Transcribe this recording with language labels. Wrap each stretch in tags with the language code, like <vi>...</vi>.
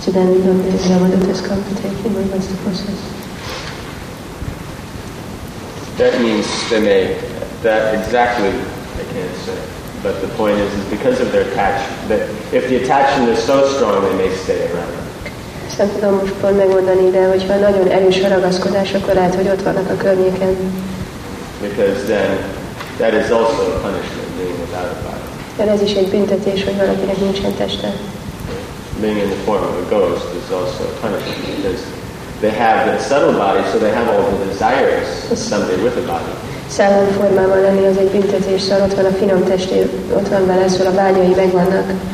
<en>So then you know, the Yamadutta has come to take him, and what's the process? That means they may, that exactly I can't say, but the point is because of their attachment, that if the attachment is so strong, they may stay around.</en> <hu>Nem tudom most pont megmondani, de hogyha nagyon erős a ragaszkodás, akkor lehet, hogy ott vannak a környéken.</hu> <en>Because then that is also a punishment, being without a body.</en> <hu>Ez is egy büntetés, hogy valakinek nincsen teste.</hu> <en>Being in the form of a ghost is also a punishment because they have the subtle body, so they have all the desires of somebody with a body.</en> <hu>Szellem formában lenni az egy büntetés, szóval ott van a finom testé, ott van vele, szóval a vágyai megvannak.</hu>